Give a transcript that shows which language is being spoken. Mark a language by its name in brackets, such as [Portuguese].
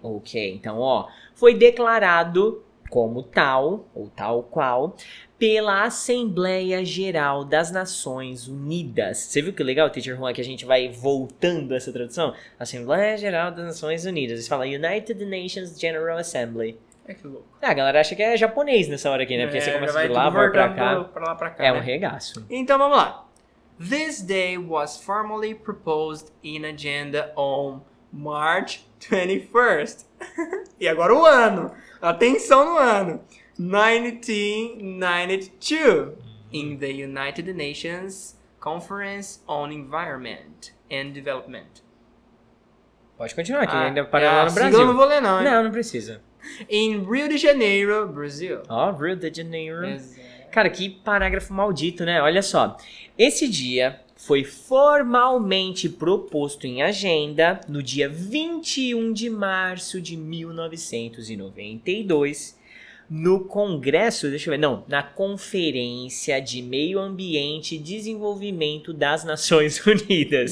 [Portuguese] Ok, então, ó, foi declarado como tal, ou tal qual, pela Assembleia Geral das Nações Unidas. Você viu que legal, teacher Juan, que a gente vai voltando essa tradução? Assembleia Geral das Nações Unidas. Você fala [English] United Nations General Assembly. [Portuguese] É que louco. Ah, a galera acha que é japonês nessa hora aqui, né? Porque é, você começa vai de lá, vai pra cá. Pra lá, pra cá, é um né? Regaço. Então, vamos lá. [English] This day was formally proposed in agenda on March 21st. [Portuguese] E agora o ano. Atenção no ano. [English] 1992, in the United Nations Conference on Environment and Development. [Portuguese] Pode continuar aqui, ainda para lá no Brasil. Eu não vou ler não, hein? Não, não precisa. [English] In Rio de Janeiro, Brasil. [Portuguese] Ó, oh, Rio de Janeiro. Exato. Cara, que parágrafo maldito, né? Olha só. Esse dia foi formalmente proposto em agenda no dia 21 de março de 1992 no Congresso, na Conferência de Meio Ambiente e Desenvolvimento das Nações Unidas.